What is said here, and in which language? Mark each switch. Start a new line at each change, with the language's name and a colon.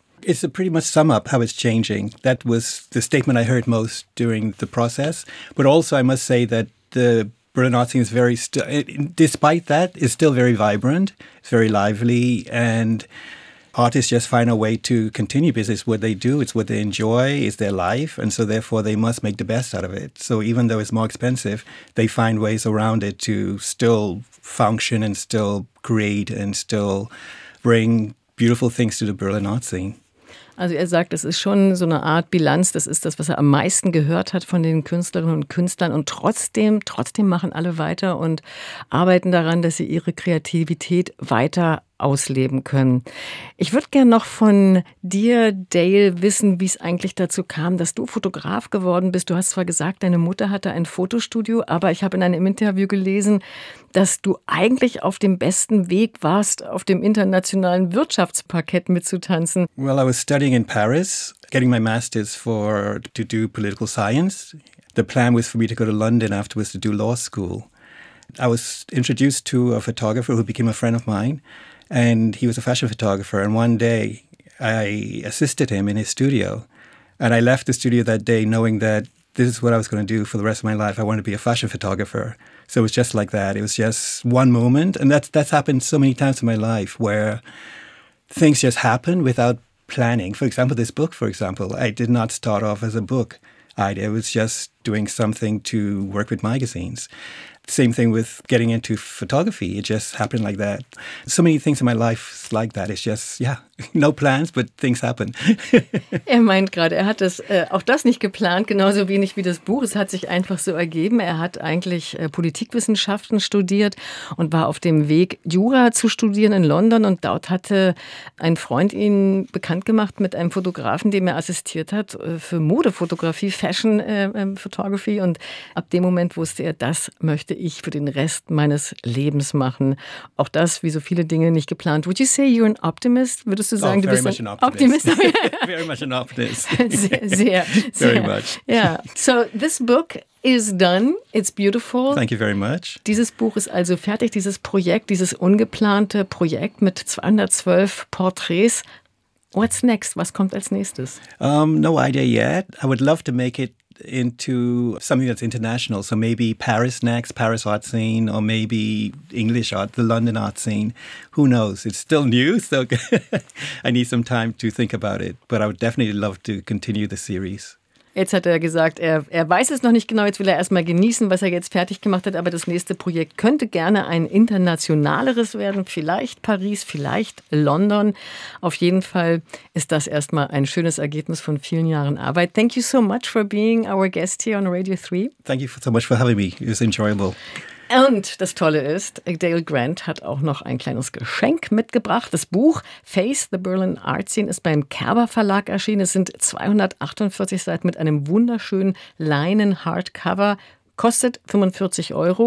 English: It's a pretty much sum up how it's changing. That was the statement I heard most during the process. But also I must say that the Berlin art scene is very, despite that, is still very vibrant, very lively, and artists just find a way to continue because it's what they do, it's what they enjoy, it's their life, and so therefore they must make the best out of it. So even though it's more expensive, they find ways around it to still function and still create and still bring beautiful things to the Berlin art scene.
German: Also er sagt, das ist schon so eine Art Bilanz, das ist das, was er am meisten gehört hat von den Künstlerinnen und Künstlern und trotzdem machen alle weiter und arbeiten daran, dass sie ihre Kreativität weiter ausleben können. Ich würde gerne noch von dir, Dale, wissen, wie es eigentlich dazu kam, dass du Fotograf geworden bist. Du hast zwar gesagt, deine Mutter hatte ein Fotostudio, aber ich habe in einem Interview gelesen, dass du eigentlich auf dem besten Weg warst, auf dem internationalen Wirtschaftsparkett mitzutanzen.
English: Well, I was studying in Paris, getting my master's to do political science. The plan was for me to go to London afterwards to do law school. I was introduced to a photographer who became a friend of mine, and he was a fashion photographer. And one day I assisted him in his studio, and I left the studio that day knowing that this is what I was going to do for the rest of my life. I wanted to be a fashion photographer. So it was just like that. It was just one moment. And that's happened so many times in my life where things just happen without planning. For example, this book, for example, I did not start off as a book. I was just doing something to work with magazines. Same thing with getting into photography. It just happened like that. So many things in my life like that. It's just, yeah, no plans, but things happen.
German: Er meint gerade, er hat das auch das nicht geplant, genauso wenig wie das Buch. Es hat sich einfach so ergeben. Er hat eigentlich Politikwissenschaften studiert und war auf dem Weg, Jura zu studieren in London. Und dort hatte ein Freund ihn bekannt gemacht mit einem Fotografen, dem er assistiert hat für Modefotografie, Fashion Photography. Und ab dem Moment wusste er, das möchte ich für den Rest meines Lebens machen. Auch das, wie so viele Dinge, nicht geplant.
English: Would you say you're an optimist?
German: Würdest du sagen, du bist ein Optimist?
English: Very much an optimist.
German: Sehr.
English: Very much. Yeah. So this book is done. It's beautiful. Thank you very much.
German: Dieses Buch ist also fertig, dieses Projekt, dieses ungeplante Projekt mit 212 Porträts.
English: What's next?
German: Was kommt als nächstes?
English: No idea yet. I would love to make it into something that's international. So maybe Paris next, Paris art scene, or maybe English art, the London art scene. Who knows? It's still new, so I need some time to think about it. But I would definitely love to continue the series.
German: Jetzt hat er gesagt, er weiß es noch nicht genau, jetzt will er erstmal genießen, was er jetzt fertig gemacht hat, aber das nächste Projekt könnte gerne ein internationaleres werden, vielleicht Paris, vielleicht London. Auf jeden Fall ist das erstmal ein schönes Ergebnis von vielen Jahren Arbeit.
English: Thank you so much for being our guest here on Radio 3. Thank you so much for having me, it was enjoyable.
German: Und das Tolle ist, Dale Grant hat auch noch ein kleines Geschenk mitgebracht. Das Buch Face the Berlin Art Scene ist beim Kerber Verlag erschienen. Es sind 248 Seiten mit einem wunderschönen Leinen-Hardcover. Kostet 45 Euro.